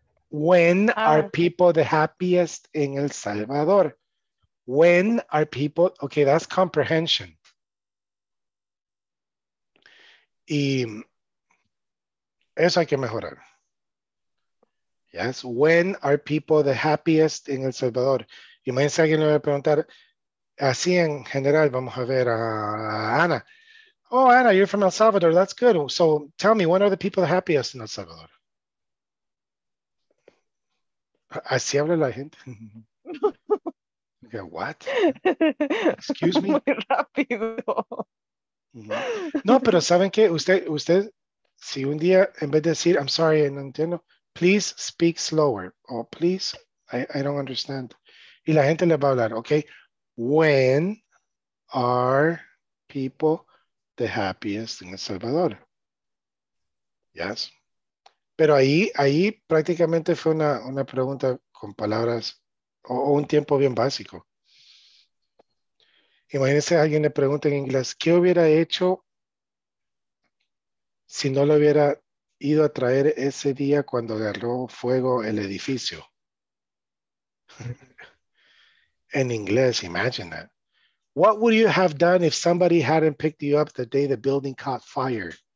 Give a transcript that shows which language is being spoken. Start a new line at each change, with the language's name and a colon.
English: When are people the happiest in El Salvador? When are people, okay, that's comprehension. Y eso hay que mejorar. Yes, when are people the happiest in El Salvador?
Spanish: Imagínense alguien le va a preguntar, así en general, vamos a ver a Ana.
English: Oh, Ana, you're from El Salvador, that's good. So tell me, when are the people the happiest in El Salvador?
Spanish: ¿Así habla la gente? Okay, what? Excuse me. Muy rápido. No, pero ¿saben qué? Usted, si un día, en vez de decir, I'm sorry, no entiendo, please speak slower, or please, I don't understand. Y la gente le va a hablar, okay?
English: When are people the happiest in El Salvador? Yes.
Spanish: Pero ahí prácticamente fue una pregunta con palabras o un tiempo bien básico. Imagínense, alguien le pregunta en inglés, ¿qué hubiera hecho si no lo hubiera ido a traer ese día cuando agarró fuego el edificio? En inglés, imagine that.
English: What would you have done if somebody hadn't picked you up the day the building caught fire?